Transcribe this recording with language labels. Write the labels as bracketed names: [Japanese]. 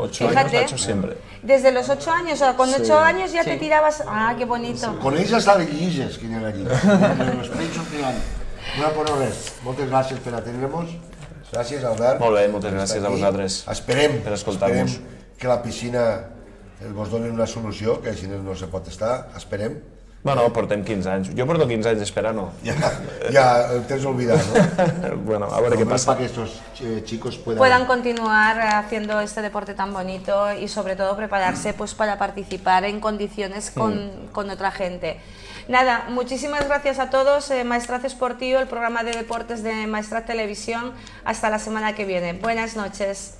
[Spanish] 8 años lo ha hecho siempre. Desde los 8 años, o sea, con 8 años ya te tirabas... Ah, qué bonito. Con ella está de guilles, que llega aquí. Los pechos que van. Bueno, por ahora, muchas gracias por atendernos. Gracias, Albert. Muy bien, muchas gracias a vosotros. [Catalan] Esperem. Per escoltar-vos. Que la piscina... vos donen una solució, que així no se pot estar, esperem. Bueno, portem 15 anys. Jo porto 15 anys esperant-ho. Ja el tens oblidat, no? Bueno, a veure què passa. Només perquè aquests xicos [Spanish] puedan continuar haciendo este deporte tan bonito y sobre todo prepararse pues para participar en condiciones con otra gente. Nada, muchísimas gracias a todos, Maestrat Esportiu, el programa de deportes de Maestrat Televisión. Hasta la semana que viene. Buenas noches.